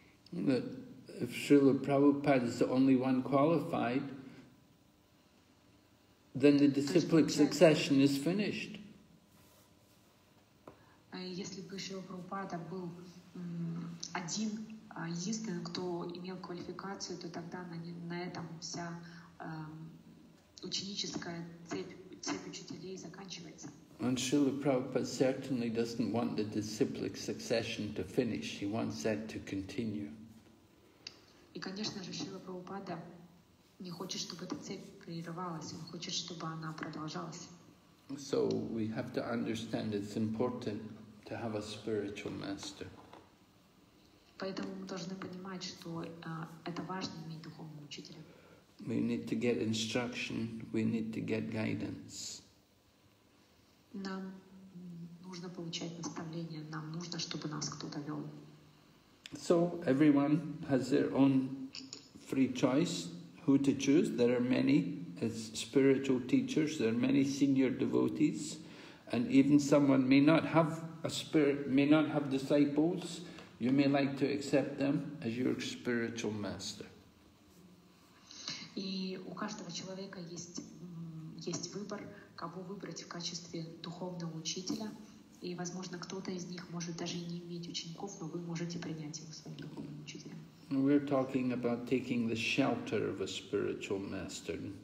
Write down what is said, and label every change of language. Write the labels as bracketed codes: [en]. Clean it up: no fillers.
[en] But if Srila Prabhupada is the only one qualified, then the disciplic succession is finished. [ru] Если бы Шрила Прабхупада был один, единственный, кто имел квалификацию, то тогда на этом вся ученическая цепь учителей заканчивается. [en] And Srila Prabhupada certainly doesn't want the disciplic succession to finish. He wants that to continue. [ru] И, конечно же, Шрила Прабхупада не хочет, чтобы эта цепь прерывалась. Он хочет, чтобы она продолжалась. [en] So we have to understand it's important to have a spiritual master. [ru] Поэтому мы должны понимать, что это важно иметь духовного учителя. [en] We need to get instruction. We need to get guidance. [ru] Нам нужно получать наставление. Нам нужно, чтобы нас кто-то вел. [en] So everyone has their own free choice who to choose. There are many as spiritual teachers, there are many senior devotees, and even someone may not have a spirit, may not have disciples, you may like to accept them as your spiritual master. [ru] И у каждого человека есть выбор, кого выбрать в качестве духовного учителя. И, возможно, кто-то из них может даже не иметь учеников, но вы можете принять его своим духовным учителем. [en] We're talking about taking the shelter of a spiritual master.